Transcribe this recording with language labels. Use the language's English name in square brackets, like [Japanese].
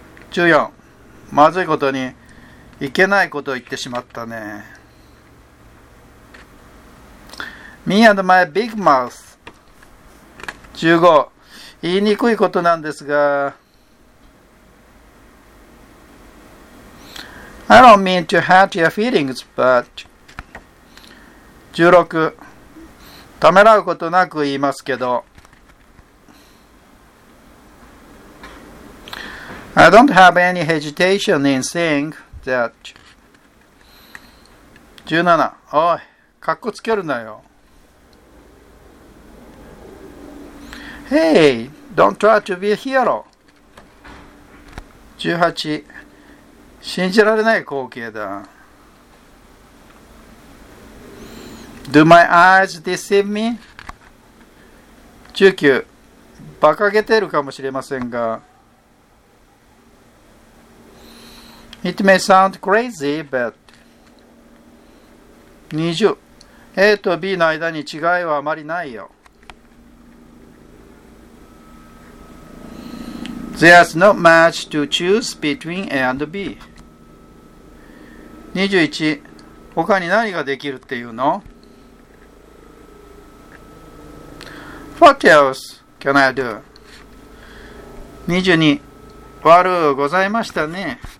[English] 14. [Japanese] まずいことに、いけないことを言ってしまったね。 [English] Me and my big mouth. 15. [Japanese] 言いにくいことなんですが。 [English] I don't mean to hurt your feelings, but... 16. [Japanese] ためらうことなく言いますけど。 [English] I don't have any hesitation in saying that. 17. [Japanese] おい、かっこつけるなよ。 [English] Hey, don't try to be a hero. 18. [Japanese] 信じられない光景だ。 [English] Do my eyes deceive me? 19. [Japanese] 馬鹿げてるかもしれませんが。 [English] It may sound crazy, but... 20. [Japanese] A と B の間に違いはあまりないよ。 [English] There's not much to choose between A and B. 21. [Japanese] 他に何ができるっていうの？ [English] What else can I do? 22. [Japanese] 悪うございましたね。